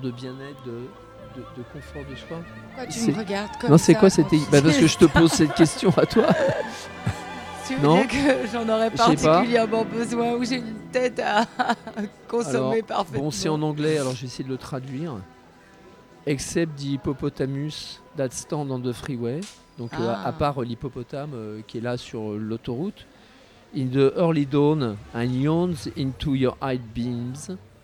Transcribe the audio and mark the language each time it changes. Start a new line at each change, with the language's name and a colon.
French: De bien-être, de confort de soi. Pourquoi tu me regardes comme non, ça c'est quoi c'était bah, parce que je te pose cette question à toi. Tu veux dire que j'en aurais particulièrement besoin ou j'ai une tête à consommer alors, parfaitement. Bon, c'est en anglais, alors j'ai essayé de le traduire.
English: Except the hippopotamus that stand on the freeway.
French: Donc, à part l'hippopotame qui est là sur l'autoroute.
English: In the early dawn, I yawns into your eye beams.